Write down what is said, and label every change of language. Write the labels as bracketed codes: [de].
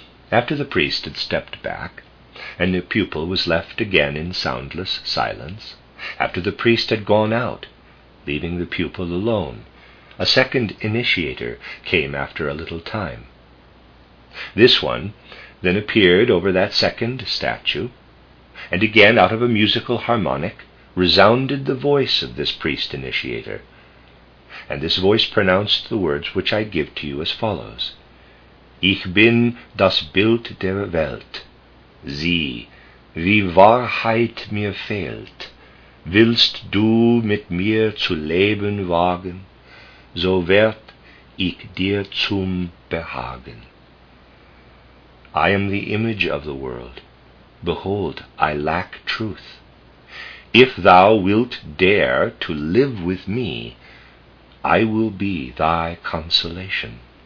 [en] After the priest had stepped back, and the pupil was left again in soundless silence, after the priest had gone out, leaving the pupil alone, a second initiator came after a little time. This one then appeared over that second statue, and again out of a musical harmonic resounded the voice of this priest-initiator, and this voice pronounced the words which I give to you as follows. [de] Ich bin das Bild der Welt. Sieh, wie Wahrheit mir fehlt. Willst du mit mir zu leben wagen, so werd ich dir zum Behagen. [en] I am the image of the world. Behold, I lack truth. If thou wilt dare to live with me, I will be thy consolation.